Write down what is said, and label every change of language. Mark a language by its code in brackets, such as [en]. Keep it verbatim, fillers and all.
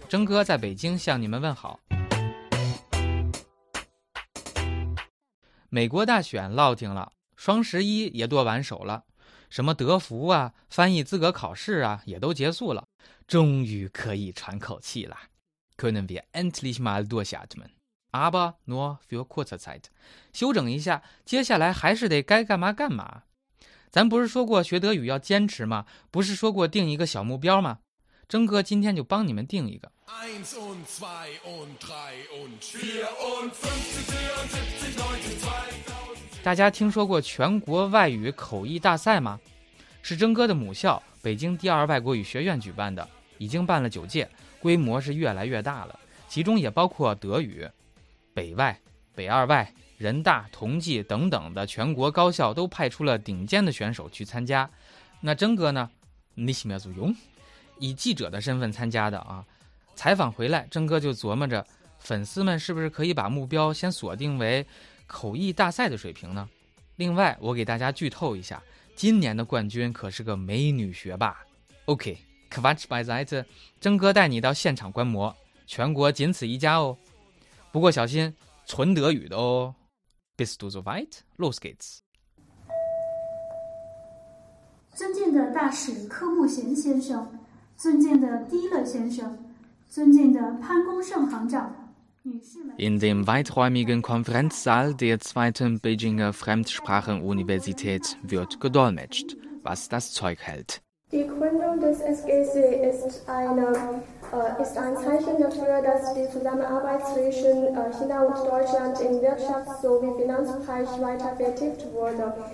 [zh] 征哥在北京向你们问好。美国大选落定了，双十一也剁完手了，什么德福啊、翻译资格考试啊，也都结束了，终于可以喘口气了。 [de] Können wir endlich mal durchatmen. Aber nur für kurze Zeit. [zh] 休整一下，接下来还是得该干嘛干嘛。咱不是说过学德语要坚持吗？不是说过定一个小目标吗？征哥今天就帮你们定一个。 [de] eins und zwei und drei und vier und fünfzig, vierundsiebzig, neunzig, zweitausend. [zh] 大家听说过全国外语口译大赛吗？是征哥的母校北京第二外国语学院举办的，已经办了九届，规模是越来越大了，其中也包括德语。北外、北二外、人大、同济等等的全国高校都派出了顶尖的选手去参加。那征哥呢？你喜不喜欢？以记者的身份参加的啊。采访回来，征哥就琢磨着，粉丝们是不是可以把目标先锁定为口译大赛的水平呢？另外，我给大家剧透一下，今年的冠军可是个美女学霸。 OK， [de] Quatsch beiseite， [zh] 征哥带你到现场观摩，全国仅此一家哦。不过小心，纯德语的哦。 [de] Bist du soweit? Los geht's. [zh] 尊敬的大使科目贤先生，尊敬的迪勒先生，尊敬的潘功胜行长，女士们。 [de] In dem weiträumigen Konferenzsaal der zweiten Beijinger Fremdsprachenuniversität wird gedolmetscht, was das Zeug hält. Die Gründung des S G C ist, eine, äh, ist ein Zeichen dafür, dass die Zusammenarbeit zwischen äh, China und Deutschland im Wirtschafts- sowie Finanzbereich weiter vertieft wurde.